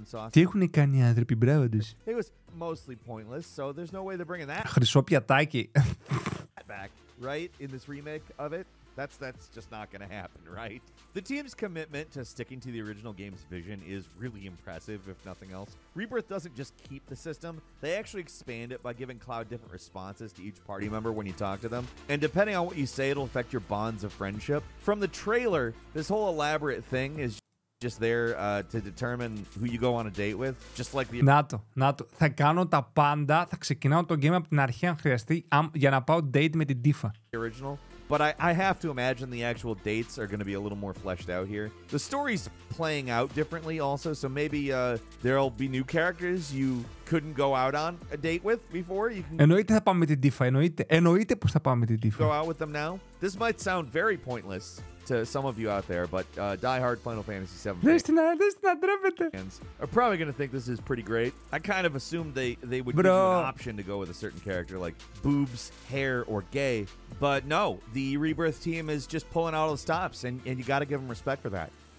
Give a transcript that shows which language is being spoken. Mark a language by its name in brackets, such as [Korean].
[Greek] Τι έχουν κάνει οι άνθρωποι, μπράβο τους. [English] It was mostly pointless, so there's no way they're bringing that. [Greek] Χρυσό πιατάκι. [English] Back, right, in this remake of it. That's just not going to happen, right? The team's commitment to sticking to the original game's vision is really impressive, if nothing else. Rebirth doesn't just keep the system. They actually expand it by giving Cloud different responses to each party member when you talk to them. And depending on what you say, it'll affect your bonds of friendship. From the trailer, this whole elaborate thing is just there to determine who you go on a date with. Just like the... [Greek] Νάτο. Θα κάνω τα πάντα. Θα ξεκινάω το game από την αρχή αν χρειαστεί για να πάω date με την Tifa. [English] The original. But I have to imagine the actual dates are going to be a little more fleshed out here. The story's playing out differently also, so maybe there'll be new characters you couldn't go out on a date with before. You [Greek] can εννοείται θα πάμε με την Tifa, εννοείται πως θα πάμε με την Tifa. [English] Go out with them now? This might sound very pointless to some of you out there, but diehard Final Fantasy VII fans. This is not are probably going to think this is pretty great. I kind of assumed they would give you an option to go with a certain character, like boobs, hair, or gay. But no, the Rebirth team is just pulling out all the stops, and you got to give them respect for that.